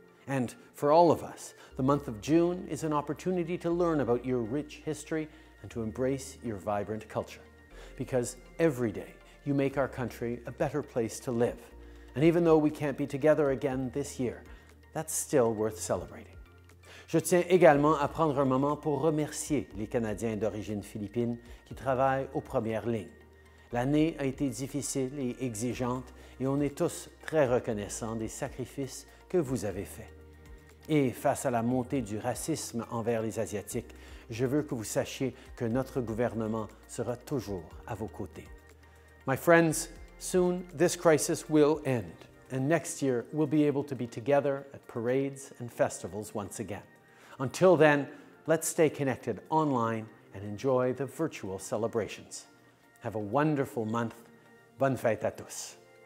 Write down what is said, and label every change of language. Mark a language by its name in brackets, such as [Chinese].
[English] And for all of us, the month of June is an opportunity to learn about your rich history and to embrace your vibrant culture. Because every day, you make our country a better place to live. And even though we can't be together again this year, that's still worth celebrating. [French] Je tiens également à prendre un moment pour remercier les Canadiens d'origine philippine qui travaillent aux premières lignes. L'année a été difficile et exigeante, et on est tous très reconnaissants des sacrifices que vous avez faits. Et face à la montée du racisme envers les Asiatiques, je veux que vous sachiez que notre gouvernement sera toujours à vos côtés. [English] My friends, soon this crisis will end, and next year we'll be able to be together at parades and festivals once again. Until then, let's stay connected online and enjoy the virtual celebrations. Have a wonderful month. [French] Bonne fête à tous.